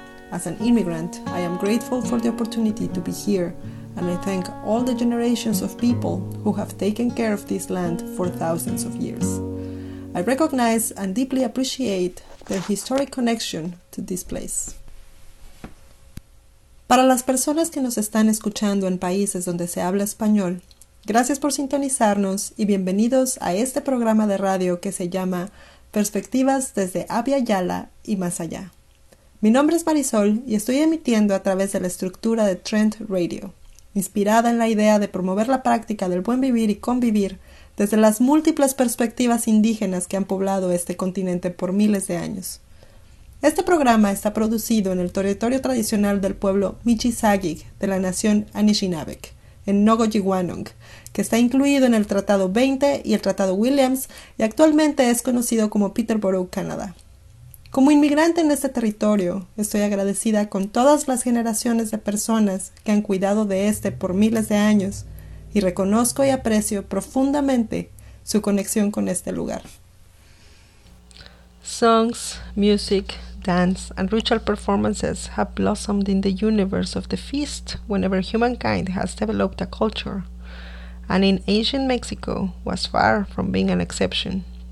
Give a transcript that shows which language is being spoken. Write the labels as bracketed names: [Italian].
[English] As an immigrant, I am grateful for the opportunity to be here, and I thank all the generations of people who have taken care of this land for thousands of years. I recognize and deeply appreciate their historic connection to this place. [Spanish] Para las personas que nos están escuchando en países donde se habla español, gracias por sintonizarnos y bienvenidos a este programa de radio que se llama Perspectivas desde Abya Yala y más allá. Mi nombre es Marisol y estoy emitiendo a través de la estructura de Trent Radio, inspirada en la idea de promover la práctica del buen vivir y convivir desde las múltiples perspectivas indígenas que han poblado este continente por miles de años. Este programa está producido en el territorio tradicional del pueblo Michisagic de la nación Anishinaabeg, en Nogojiwanong, que está incluido en el Tratado 20 y el Tratado Williams y actualmente es conocido como Peterborough, Canadá. Como inmigrante en este territorio, estoy agradecida con todas las generaciones de personas que han cuidado de este por miles de años y reconozco y aprecio profundamente su conexión con este lugar. [English] Songs, music, dance, and ritual performances have blossomed in the universe of the feast whenever humankind has developed a culture, and in ancient Mexico was far from being an exception.